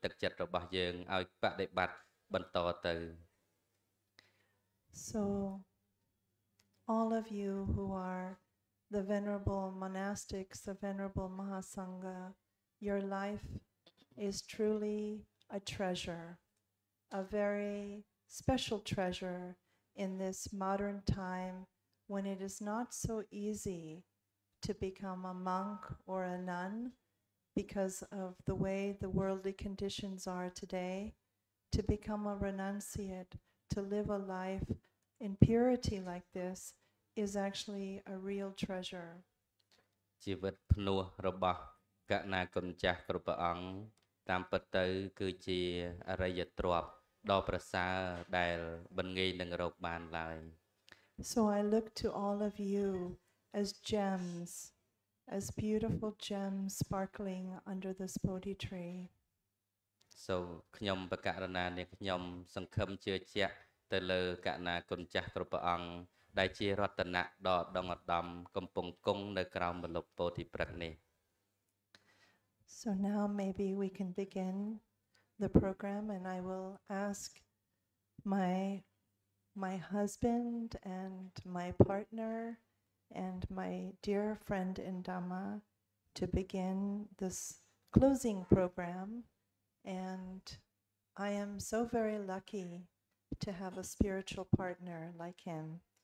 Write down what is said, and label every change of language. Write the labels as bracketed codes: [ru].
[km] បានប្រលត់បញ្ចខន្ធចូលកាន់ព្រះនិព្វានចាកចោលយើងទៅហើយប៉ុន្តែព្រះធម៌និងព្រះវិន័យនៅតែមានសម្រាប់យើងជាពិសេសព្រះសង្ឃកសាវៈដែលបានបួសសិក្សានៅក្នុងព្រះធម៌និងព្រះវិន័យនេះគឺជាគំរូភាពដើម្បីជំរុញទឹកចិត្តរបស់យើងឲ្យបដិបត្តិបន្តទៅ. [en] The venerable monastics, the venerable Mahasangha, your life is truly a treasure, a very special treasure in this modern time when it is not so easy to become a monk or a nun because of the way the worldly conditions are today, to become a renunciate, to live a life in purity like this, is actually a real treasure. [km] ជីវិត ភ្នោះ របស់ កណា កុនចាស់ គ្រប់ ព្រះអង្គ តាម ពិត ទៅ គឺ ជា អរិយ ទ្រព្យ ដ៏ ប្រសើរ ដែល មិន ងាយ នឹង រក បាន ឡើយ. [en] So I look to all of you as gems, as beautiful gems sparkling under this Bodhi tree. [km] So ខ្ញុំ ប្រកាសណា នេះ ខ្ញុំ សង្ឃឹម ជឿជាក់ ទៅ លើ កណា កុនចាស់ គ្រប់ ព្រះអង្គ ដែលជារតនៈដ៏ឧត្តមកំពុងគង់នៅក្រោមម្លប់ពោធិព្រឹក្សនេះ. [en] So now maybe we can begin the program and I will ask my husband and my partner and my dear friend in Dhamma to begin this closing program and I am so very lucky to have a spiritual partner like him.